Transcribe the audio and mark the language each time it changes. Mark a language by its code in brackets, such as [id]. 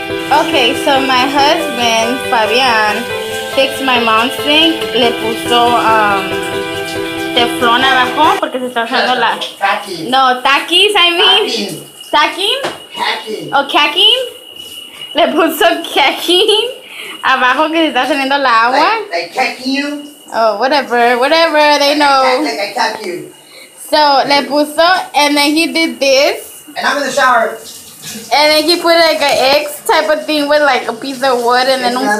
[en] Okay, so my husband, Fabian, fixed my mom's sink. [es] Le puso teflón abajo porque se está usando la... [en] Tacking. No, tackies, I mean. Tacking. Tacking. Tacking. Oh, cacking. [es] Le puso cacking abajo que se está saliendo la agua. [en] Like cacking you. Oh, whatever, whatever, they know. Like I tack you. So, [es] le puso, [en] and then he did this. And I'm in the shower. And then he put like an X type of thing with like a piece of wood and then